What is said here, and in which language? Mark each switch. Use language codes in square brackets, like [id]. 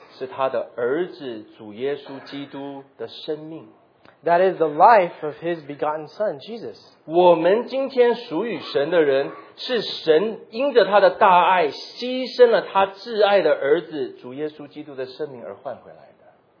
[zh] 是他的儿子主耶稣基督的生命。 [en] That is the life of his begotten son, Jesus. [zh] 我们今天属于神的人，是神因着他的大爱，牺牲了他挚爱的儿子主耶稣基督的生命而换回来的。